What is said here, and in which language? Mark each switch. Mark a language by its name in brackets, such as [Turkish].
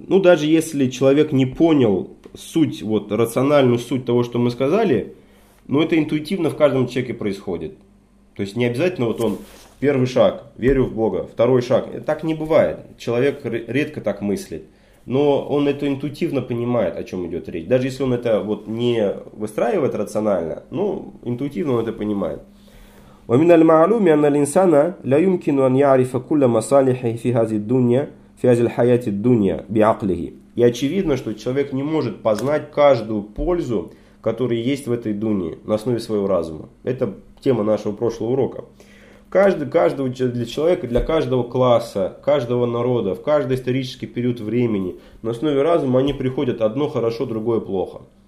[Russian] Ну даже если человек не понял суть, вот рациональную суть того, что мы сказали, но это интуитивно в каждом человеке происходит. То есть не обязательно вот он первый шаг, верю в Бога, второй шаг. Так не бывает. Человек редко так мыслит. Но он это интуитивно понимает, о чем идет речь. Даже если он это вот не выстраивает рационально, ну интуитивно он это понимает. [Arabic] ومن المعلوم أن الإنسان لا يمكن أن يعرف كل مصالحه في هذه الدنيا في هذه الحياة الدنيا بعقله. [Russian] И очевидно, что человек не может познать каждую пользу, которая есть в этой дунии на основе своего разума. Это тема нашего прошлого урока. Каждого для человека, для каждого класса, каждого народа, в каждый исторический период времени на основе разума они приходят одно хорошо, другое плохо.